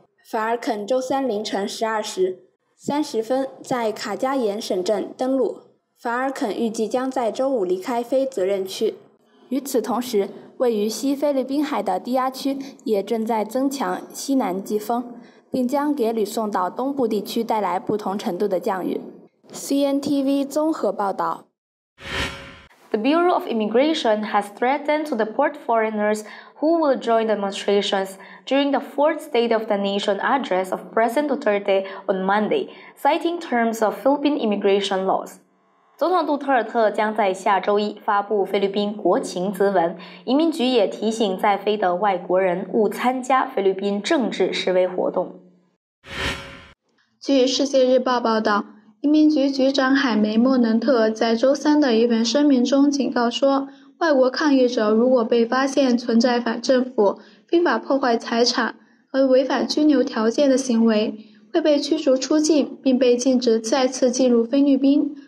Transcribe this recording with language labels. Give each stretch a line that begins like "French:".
Chinese: 法尔肯周三凌晨12时30分在卡加延省镇登陆。法尔肯预计将在周五离开非责任区。与此同时，位于西菲律宾海的低压区也正在增强西南季风，并将给吕宋岛东部地区带来不同程度的降雨。 CNTV 综合报道。
English: The Bureau of Immigration has threatened to deport foreigners who will join demonstrations during the fourth State of the Nation address of President Duterte on Monday, citing terms of Philippine immigration laws.
Chinese: 总统杜特尔特将在下周一发布菲律宾国情咨文，移民局也提醒在菲的外国人勿参加菲律宾政治示威活动。据《世界日报》报道，移民局局长海梅莫能特在周三的一份声明中警告说，外国抗议者如果被发现存在反政府、非法破坏财产和违反居留条件的行为，会被驱逐出境，并被禁止再次进入菲律宾。